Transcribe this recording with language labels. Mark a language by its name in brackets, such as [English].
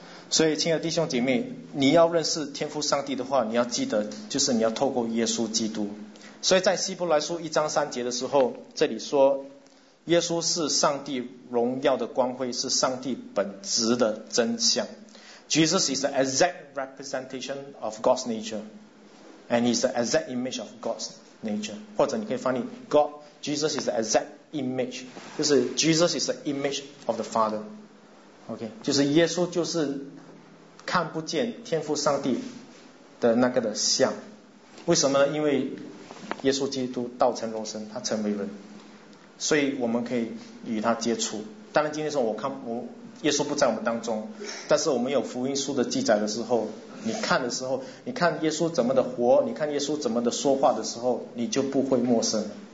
[Chinese] 所以亲爱的弟兄姐妹，你要认识天父上帝的话，你要记得就是你要透过耶稣基督。所以在希伯来书1:3的时候，这里说，耶稣是上帝荣耀的光辉，是上帝本质的真相。 [English] Jesus is the exact representation of God's nature, and he's the exact image of God's nature. [Chinese] 或者你可以翻译 [English] God, Jesus is the exact image, [Chinese] 就是 [English] Jesus is the image of the Father. [Chinese] OK, 就是耶稣就是看不见天父上帝的那个的像。为什么呢？因为耶稣基督道成肉身，他成为人，所以我们可以与他接触。当然今天说我看我耶稣不在我们当中，但是我们有福音书的记载的时候，你看的时候，你看耶稣怎么的活，你看耶稣怎么的说话的时候，你就不会陌生。